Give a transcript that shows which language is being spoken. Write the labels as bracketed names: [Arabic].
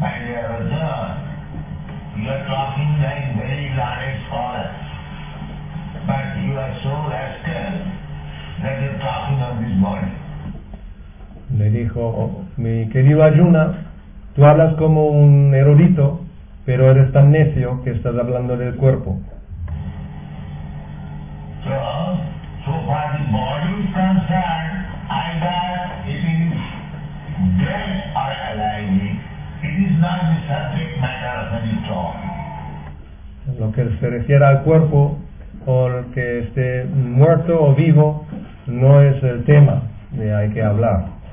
[English] were talking like very learned scholars, but you are so rascal that you are talking of this body. [Spanish] Le dijo, mi querido Arjuna, tú hablas como un erudito, pero eres tan necio que estás hablando del cuerpo. [English] So far the body is concerned, either it is dead or alive, it is not the subject matter of any talk. [Spanish] En lo que se refiere al cuerpo, o que esté muerto o vivo, no es el tema de hay que hablar.